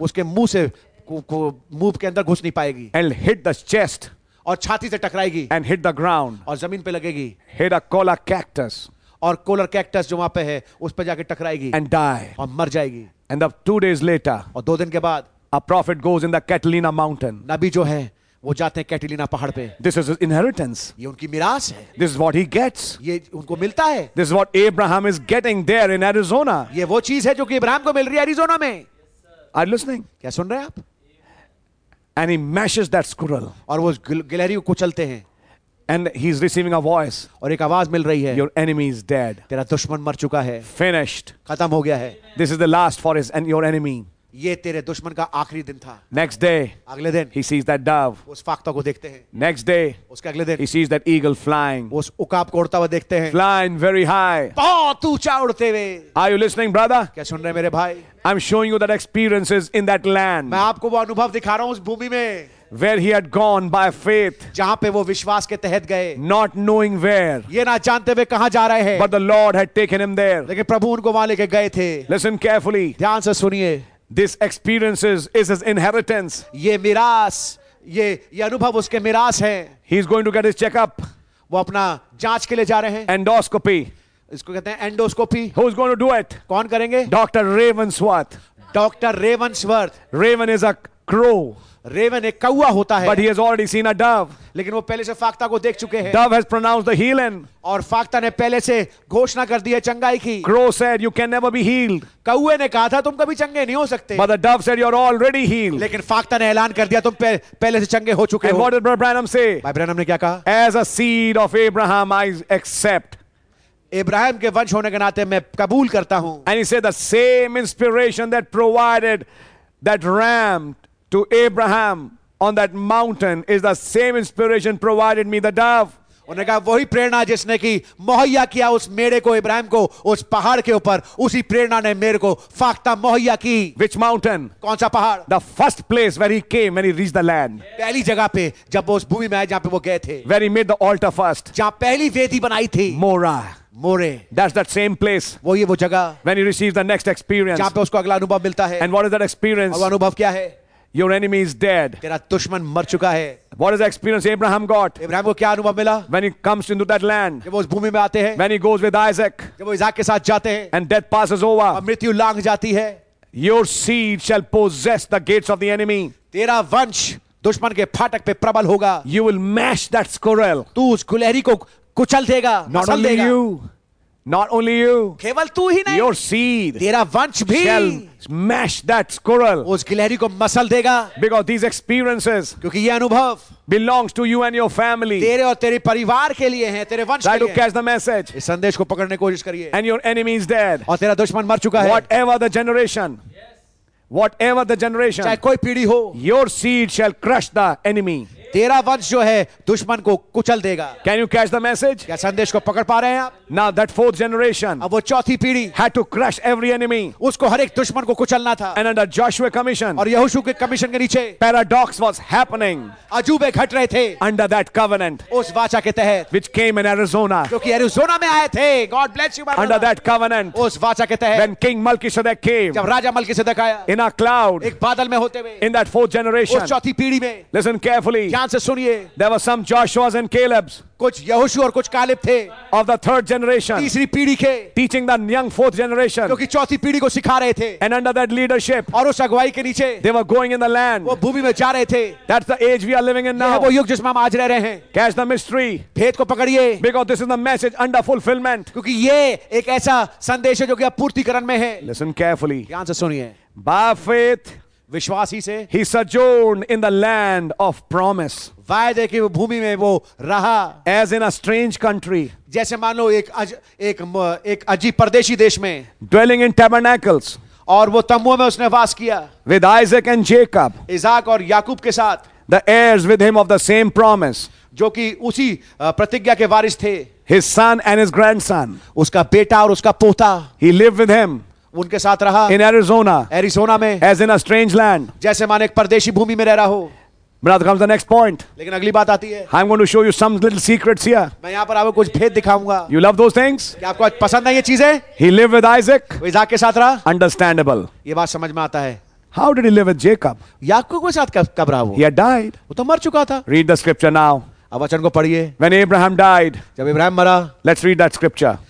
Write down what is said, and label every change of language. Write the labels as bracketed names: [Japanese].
[Hindi] उसके मुंह से मुंह के अंदर घुस नहीं पाएगी [English] And hit the chest. [Hindi] और छाती से टकराएगी [English] And hit the ground. [Hindi] और जमीन पे लगेगी [English] Hit a cola cactus. [Hindi] और कोलर कैक्टस जो वहां पे है उस पे जाके टकराएगी [English] And die. [Hindi] और मर जाएगी [English] And up 2 days later, [Hindi] और 2 दिन के बाद [English] a prophet goes in the Catalina mountain. [Hindi] नबी जो है वो जाते हैं कैटलिना पहाड़ पे [English] this is inheritance [Hindi] ये उनकी मिरास है [English] this is what he gets [Hindi] ये उनको मिलता है [English] this is what Abraham is getting there in Arizona [Hindi] ये वो चीज है जो कि अब्राहम को मिल रही है एरिजोना में [English] are you listening [Hindi] क्या सुन रहे हैं आप [English] and he mashes that squirrel [Hindi] और वो गिलहरी को कुचलते हैं [English] and he is receiving a voice [Hindi] और एक आवाज मिल रही है [English] your enemy is dead [Hindi] तेरा दुश्मन मर चुका है [English] finished [Hindi] खत्म हो गया है [English] this is the last for his and your enemy [Hindi] ये तेरे दुश्मन का आखिरी दिन था [English] next day [Hindi] अगले दिन [English] he sees that dove [Hindi] उस फाख्ता को देखते हैं [English] next day [Hindi] उसके अगले दिन [English] he sees that eagle flying [Hindi] उस उकाब को उड़ता हुआ देखते हैं [English] flying very high [Hindi] बहुत ऊंचा उड़ते हुए [English] are you listening brother [Hindi] क्या सुन रहे हैं मेरे भाई [English] I'm showing you that experiences in that land [Hindi] मैं आपको वो अनुभव दिखा रहा हूं उस भूमि में [English] where he had gone by faith [Hindi] जहां पे वो विश्वास के तहत गए [English] not knowing where [Hindi] ये ना जानते हुए कहां जा रहे हैं [English] but the lord had taken him there [Hindi] लेकिन प्रभु उनको वहां लेके गए थे [English] listen carefully [Hindi] ध्यान से सुनिए [English] This experience is his inheritance. [Hindi] ये मिरास, ये अनुभव उसके मिरास है. [English] He is going to get his checkup. [Hindi] वो अपना जांच के लिए जा रहे हैं. [English] Endoscopy. [Hindi] इसको कहते हैं endoscopy. [English] Who is going to do it? [Hindi] कौन करेंगे? [English] Dr. Ravensworth. [Hindi] Dr. Ravensworth. [English] Raven is a crow. [Hindi] Raven एक कौवा होता है. [English] But he has already seen a dove. [Hindi] लेकिन वो पहले से फाख्ता को देख चुके हैं. [English] Dove has pronounced the healing. [Hindi] और फाख्ता ने पहले से घोषणा कर दी है चंगाई की. [English] Crow said, "You can never be healed." [Hindi] कौवे ने कहा था तुम कभी चंगे नहीं हो सकते. [English] But the dove said, "You're already healed." [Hindi] लेकिन फाख्ता ने ऐलान कर दिया तुम पहले से चंगे हो चुके हो. [English] And what did Brother Branham say? [Hindi] भाई ब्रैनम ने क्या कहा? [English] As a seed of Abraham, I accept. [Hindi] Ibrahim के वंश होने के नाते मैं कबूल करता हूँ. [English] And he said, "The same inspiration that provided that ram to Abraham." On that mountain is the same inspiration provided me the dove. [Hindi] उन्हें कहा वही प्रेरणा जिसने की मुहैया किया उस मेरे को इब्राहिम को उस पहाड़ के ऊपर उसी प्रेरणा ने मेरे को फाख्ता मुहैया की. [English] Which mountain? [Hindi] कौन सा पहाड़? [English] The first place where he came when he reached the land. [Hindi] पहली जगह पे जब वो उस भूमि में आए जहाँ पे वो गए थे. [English] Where he made the altar first. [Hindi] जहाँ पहली वेदी बनाई थी. [English] Mora. [Hindi] More. [English] That's that same place. [Hindi] वो ये वो जगह. [English] When he receives the next experience. [Hindi] जहाँ पे उसको अगला अनुभव मिलता है. [English] And what is that experience? [Hindi] और अनुभव क्या है? [English] Your enemy is dead. [Hindi] तेरा दुश्मन मर चुका है. [English] What is the experience Abraham got? [Hindi] Abraham को क्या अनुभव मिला? [English] When he comes into that land. [Hindi] जब वो उस भूमि में आते हैं. [English] When he goes with Isaac. [Hindi] जब वो इसहाक के साथ जाते हैं. [English] And death passes over. [Hindi] और मृत्यु लांग जाती है. [English] Your seed shall possess the gates of the enemy. [Hindi] तेरा वंश दुश्मन के फाटक पे प्रबल होगा. [English] You will mash that squirrel. [Hindi] तू उस गुलहरी को कुचल देगा. [English] Not only [Hindi] देगा. [English] You. Not only you. [Hindi] केवल तू ही नहीं. [English] Your seed. [Hindi] तेरा वंश भी. [English] Shall smash that squirrel. [Hindi] उस गिलहरी को मसल देगा. [English] Because these experiences. [Hindi] क्योंकि ये अनुभव. [English] Belongs to you and your family. [Hindi] तेरे और तेरे परिवार के लिए हैं. तेरे वंश के लिए. [English] Try to catch the message. [Hindi] इस संदेश को पकड़ने की कोशिश करिए. [English] And your enemy is dead. [Hindi] और तेरा दुश्मन मर चुका है. [English] Whatever the generation. Whatever the generation. [Hindi] चाहे कोई पीढ़ी हो. [English] Your seed shall crush the enemy. [Hindi] तेरा वंश जो है दुश्मन को कुचल देगा [English] can you catch the message [Hindi] क्या संदेश को पकड़ पा रहे हैं आप [English] now that fourth generation [Hindi] अब वो चौथी पीढ़ी [English] had to crush every enemy [Hindi] उसको हर एक दुश्मन को कुचलना था [English] and under Joshua commission [Hindi] और यहोशू के कमीशन के नीचे [English] paradox was happening [Hindi] अजूबे घट रहे थे [English] under that covenant [Hindi] उस वाचा के तहत [English] which came in Arizona [Hindi] क्योंकि एरिजोना में आए थे [English] God bless you under that covenant [Hindi] उस वाचा के तहत [English] when king Melchizedek came [Hindi] जब राजा मल्किसेदेक आया [English] in a cloud [Hindi] एक बादल में होते हुए [English] in that fourth generation [Hindi] चौथी पीढ़ी में [English] listen carefully [Hindi] ध्यान से सुनिए. [English] There were some Joshuas and Calebs. [Hindi] कुछ यहोशू और कुछ कालेब थे. [English] Of the third generation. [Hindi] तीसरी पीढ़ी के. [English] Teaching the young fourth generation. [Hindi] क्योंकि चौथी पीढ़ी को सिखा रहे थे. [English] And under that leadership. [Hindi] और उस अगुवाई के नीचे. [English] They were going in the land. [Hindi] वो भूमि में जा रहे थे. [English] That's the age we are living in now. [Hindi] वो युग जिसमें हम आज रह रहे हैं. [English] Catch the mystery. [Hindi] भेद को पकड़िए. [English] Because this is the message under fulfillment. [Hindi] क्योंकि ये एक ऐसा संदेश है जो कि पूर्तिकरण में है. [English] Listen carefully. [Hindi] ध्यान से सुनिए. [English] By faith. [Hindi] विश्वासी से. [English] He sojourned in the land of promise. [Hindi] वायदे की भूमि में वो रहा. [English] As in a strange country. [Hindi] जैसे मान लो एक अजीब परदेशी देश में. [English] Dwelling in tabernacles. [Hindi] और वो तंबुओं में उसने वास किया. [English] With Isaac and Jacob. [Hindi] इसहाक और याकूब के साथ. [English] The heirs with him of the same promise. [Hindi] जो कि उसी प्रतिज्ञा के वारिस थे. [English] His son and his grandson. [Hindi] उसका बेटा और उसका पोता. [English] He lived with him. [Hindi] उनके साथ रहा. [English] In Arizona. [Hindi] Arizona में. [English] As in a strange land. [Hindi] जैसे माने एक परदेशी भूमि में रह रहा हो. [English] Brother, comes the next point. [Hindi] लेकिन अगली बात आती है. [English] I'm going to show you some little secrets here. [Hindi] मैं यहाँ पर आपको कुछ भेद दिखाऊंगा. [English] You love those things? [Hindi] क्या आपको पसंद है ये चीजें? [English] He lived with Isaac. [Hindi] वो इसहाक के साथ रहा. [English] Understandable. [Hindi] ये बात समझ में आता है. [English] How did he live with Jacob? [Hindi] याकूब के साथ कब रहा वो? [English] He had died. [Hindi] वो तो मर चुका था. [English] Read the scripture now. [Hindi] अब वचन को पढ़िए. [English] When Abraham died. [Hindi] जब इब्राहिम मरा. [English] Let's read that scripture.